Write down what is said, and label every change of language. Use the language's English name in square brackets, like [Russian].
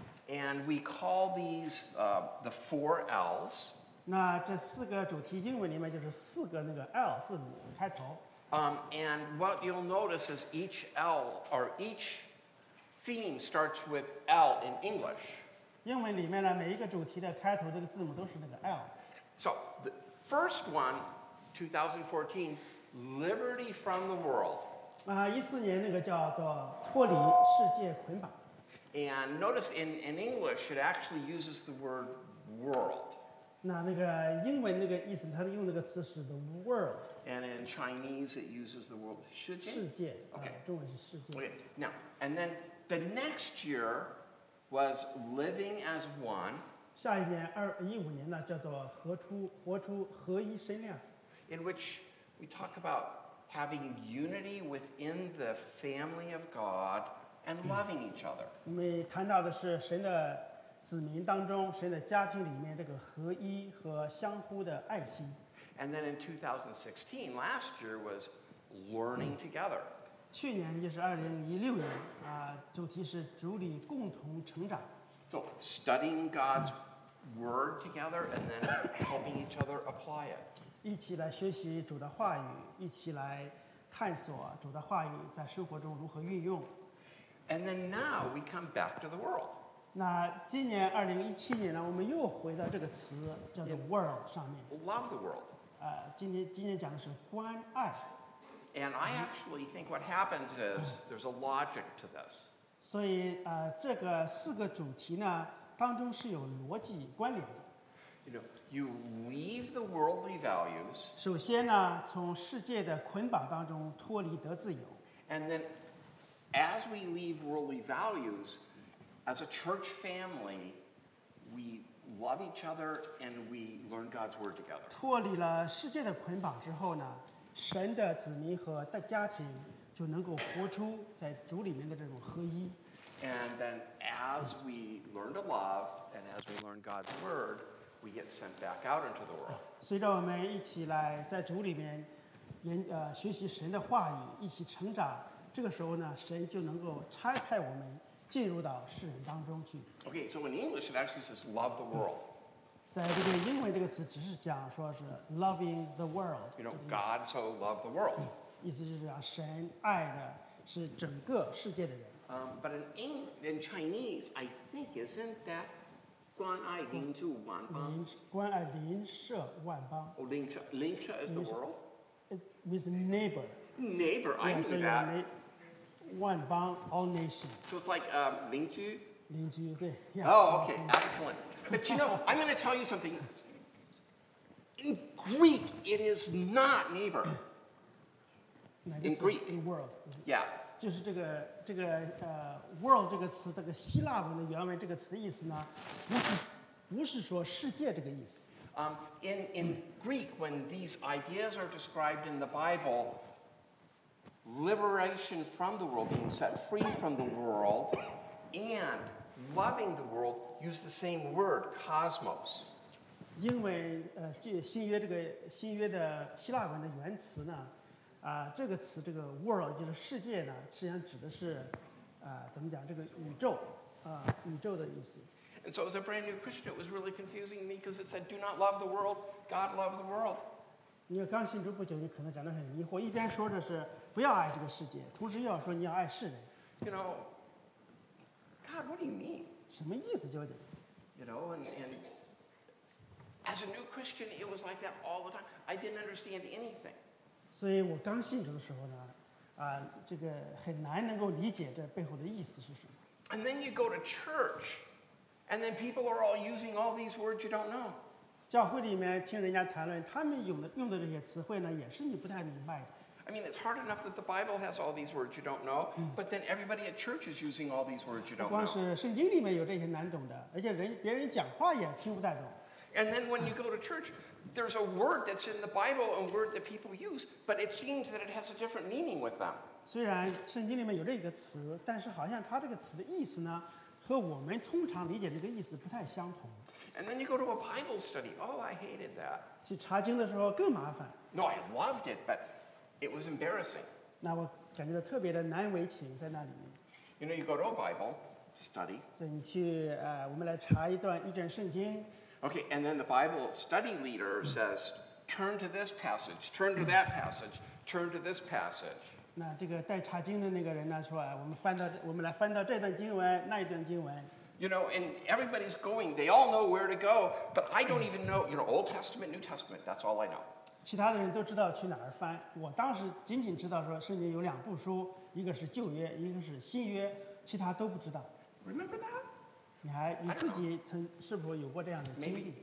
[English] And we call these the four L's. [Chinese] 那这四个主题英文里面就是四个那个 L 字母开头。 [English] And what you'll notice is each L or each theme starts with L in English. [Chinese] 英文里面呢，每一个主题的开头这个字母都是那个 L. [English] So the first one, 2014, Liberty from the World. [Chinese] 14年那个叫做脱离世界捆绑。 [English] And notice in English, it actually uses the word world. [Chinese] 那个英文那个意思，它用那个词是 [English] the world. And in Chinese, it uses the word [Chinese] 世界。世界。Okay. 中文是世界。 [English] Okay. Now, and then the next year was living as one. [Chinese] 下一年2015年呢，叫做活出合一身量。 [English] In which we talk about. Having unity within the family of God and loving each other. [Chinese] 我们谈到的是神的子民当中，神的家庭里面这个合一和相互的爱心。 [English] And then in 2016, last year was learning together. [Chinese] 去年也是2016年啊，主题是主里共同成长。 [English] So studying God's word together and then helping each other apply it. [Chinese] 一起来学习主的话语，一起来探索主的话语在生活中如何运用。 [English] And then now we come back to the world. [Chinese] 那今年2017年呢，我们又回到这个词叫做 world 上面。 [English] Love the world. [Chinese] 今年讲的是关爱。 [English] And I actually think what happens is there's a logic to this. [Chinese] 所以这个四个主题呢当中是有逻辑关联的。 [English] You know, you leave the worldly values. [Chinese] 首先呢从世界的捆绑当中脱离得自由。 [English] And then as we leave worldly values, as a church family, we love each other and we learn God's word together. [Chinese] 脱离了世界的捆绑之后呢神的子民和的家庭就能够活出在主里面的这种合一。 [English] And then as we learn to love and as we learn God's word, we get sent back out into the world. [Chinese] 随着我们一起来在主里面学习神的话语一起成长这个时候呢神就能够差派我们进入到世人当中去。 [English] Okay, so in English it actually says love the world. [Chinese] 在这个英文这个词只是讲说是 [English] loving the world you know, God so loved the world [Chinese] 意思就是讲神爱的是整个世界的人、 [English] but in Chinese I think isn't that [Chinese] 关爱邻住万邦关爱邻舍万邦邻舍 [English] is the world it means neighbor neighbor I knew that [Chinese] 万邦 [English] all nations so it's like [Chinese] 邻居邻居对、 [English] oh okay excellent But you know, I'm going to tell you something. In Greek, it is not neighbor. In Greek. In world. Yeah. [Chinese] 就是这个world 这个词，这个希腊文的原文这个词的意思呢，不是说世界这个意思。 [English] In Greek, when these ideas are described in the Bible, liberation from the world, being set free from the world, and loving the world,Use the same word, cosmos. [Chinese] 因为新约的希腊文的原词呢，这个词这个 world 就是世界呢，实际上指的是，怎么讲这个宇宙，宇宙的意思。 [English] And so as a brand new Christian, it was really confusing me because it said, "Do not love the world, God loved the world." [Chinese] 你刚信主不久，你可能感到很疑惑，一边说着是不要爱这个世界，同时又要说你要爱世人。 [English] You know, God, what do you mean? [Chinese] 什么意思就得 [English] You know, and as a new Christian, it was like that all the time. I didn't understand anything. [Chinese] 所以我刚信主的时候呢，这个很难能够理解这背后的意思是什么。 [English] And then you go to church, and then people are all using all these words you don't know. [Chinese] 教会里面听人家谈论，他们用的这些词汇呢，也是你不太明白的。 [English] I mean, it's hard enough that the Bible has all these words you don't know, but then everybody at church is using all these words you don't know. [Chinese] 光是圣经里面有这些难懂的，而且别人讲话也听不太懂。 [English] And then when you go to church, there's a word that's in the Bible, a word that people use, but it seems that it has a different meaning with them. [Chinese] 虽然圣经里面有这个词，但是好像它这个词的意思呢，和我们通常理解这个意思不太相同。 [English] And then you go to a Bible study. Oh, I hated that. [Chinese] 去查经的时候更麻烦。 [English] No, I loved it, but... It was embarrassing. [Chinese] 那我感觉到特别的难为情在那里面。 [English] You know, you go to a Bible study. [Chinese] 所以你去我们来查一卷圣经。 [English] Okay, and then the Bible study leader says, turn to this passage, turn to that passage, turn to this passage. [Chinese] 那这个带查经的那个人呢说，我们来翻到这段经文，那一段经文。 [English] You know, and everybody's going, they all know where to go, but I don't even know, you know, Old Testament, New Testament, that's all I know. [Chinese] 其他的人都知道去哪儿翻。我当时仅仅知道说圣经有两部书，一个是旧约，一个是新约，其他都不知道。 [English] Remember that? [Chinese] 你自己曾是否有过这样的经历